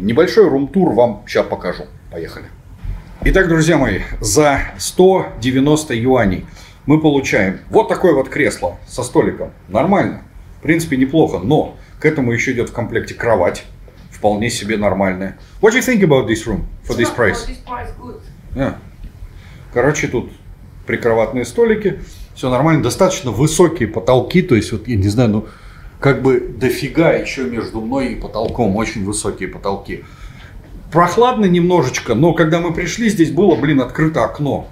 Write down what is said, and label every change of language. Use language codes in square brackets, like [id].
[ru] Небольшой рум-тур вам сейчас покажу. Поехали. Итак, друзья мои, за 190 юаней мы получаем вот такое вот кресло со столиком. Нормально. В принципе, неплохо. Но к этому еще идет в комплекте кровать. В вполне себе нормальная. [en] What do you think about this room for this price? [ru] Короче, тут прикроватные столики, все нормально, достаточно высокие потолки, то есть вот я не знаю, ну как бы дофига еще между мной и потолком, очень высокие потолки. Прохладно немножечко, но когда мы пришли, здесь было, блин, открыто окно.